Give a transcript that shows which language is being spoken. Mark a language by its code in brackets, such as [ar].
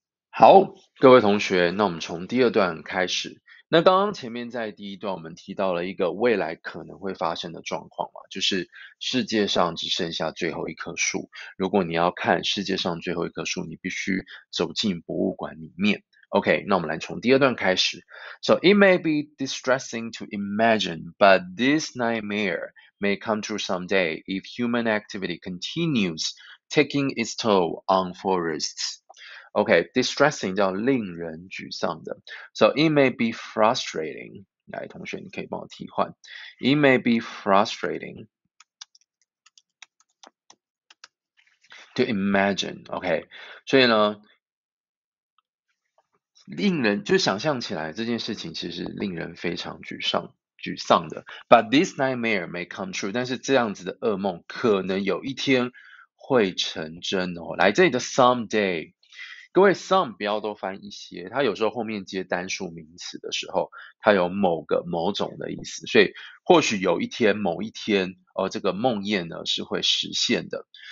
[zh] 好，各位同学，那我们从第二段开始。那刚刚前面在第一段，我们提到了一个未来可能会发生的状况嘛，就是世界上只剩下最后一棵树。如果你要看世界上最后一棵树，你必须走进博物馆里面。 OK，那我们来从第二段开始。 [en] So it may be distressing to imagine, but this nightmare may come true someday if human activity continues taking its toll on forests. [zh] OK，distressing 叫令人沮丧的， [en] so it may be frustrating。 [zh] 来，同学，你可以帮我替换， [en] it may be frustrating to imagine。 [zh] OK，所以呢，令人就想象起来这件事情，其实令人非常沮丧的。 [en] But this nightmare may come true， [zh] 但是这样子的噩梦可能有一天会成真哦。来，这里的 someday。各位，some 不要都翻一些，它有时候后面接单数名词的时候，它有某个某种的意思，所以或许有一天，某一天，这个梦魇呢是会实现的。